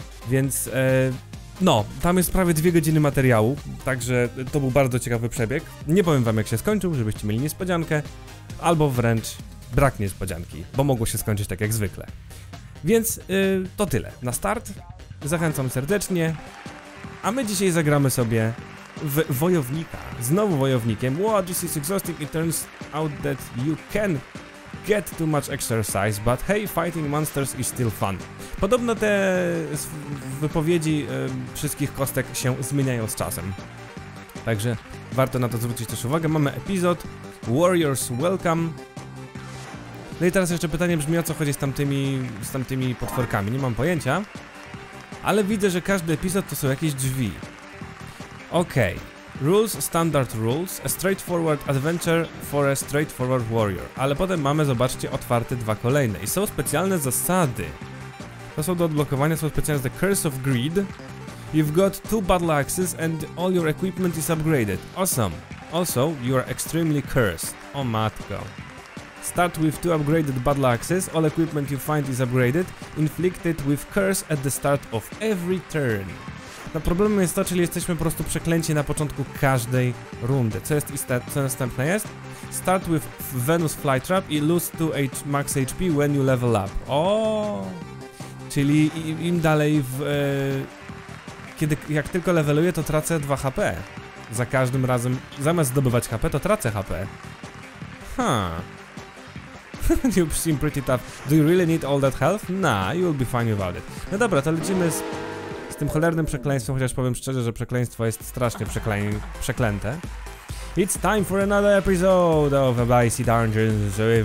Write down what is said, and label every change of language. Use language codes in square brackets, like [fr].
[pl] Więc no, tam jest prawie 2 godziny materiału, także to był bardzo ciekawy przebieg. Nie powiem wam, jak się skończył, żebyście mieli niespodziankę, albo wręcz brak niespodzianki, bo mogło się skończyć tak jak zwykle. Więc to tyle na start. Zachęcam serdecznie. A my dzisiaj zagramy sobie w Wojownika. Znowu Wojownikiem. [en] What, this is exhausting. It turns out that you can get too much exercise, but hey, fighting monsters is still fun. [pl] Podobno te wypowiedzi wszystkich kostek się zmieniają z czasem. Także warto na to zwrócić też uwagę. Mamy epizod Warriors Welcome. No i teraz jeszcze pytanie brzmi, o co chodzi z tamtymi potworkami. Nie mam pojęcia. Ale widzę, że każdy epizod to są jakieś drzwi. Okej. [en] Rules, standard rules, a straightforward adventure for a straightforward warrior. [pl] Ale potem mamy, zobaczcie, otwarte dwa kolejne. I są specjalne zasady. To są do odblokowania, są specjalne The Curse of Greed. [en] You've got 2 battle axes and all your equipment is upgraded. Awesome. Also, you are extremely cursed. [pl] O matko. [en] Start with 2 upgraded battle axes, all equipment you find is upgraded, inflicted with curse at the start of every turn. [pl] No problemem jest to, czyli jesteśmy po prostu przeklęci na początku każdej rundy. Co jest istotne, co następne jest? [en] Start with Venus Flytrap i lose 2 max HP when you level up. [pl] Oooo! Czyli im dalej w... jak tylko leveluję, to tracę 2 HP. Za każdym razem, zamiast zdobywać HP, to tracę HP. [en] Ha. You seem pretty tough. Do you really need all that health? Nah, you will be fine without it. [pl] No dobra, to lecimy z tym cholernym przekleństwem, chociaż powiem szczerze, że przekleństwo jest strasznie przeklęte. [en] It's time for another episode of Dicey Dungeons.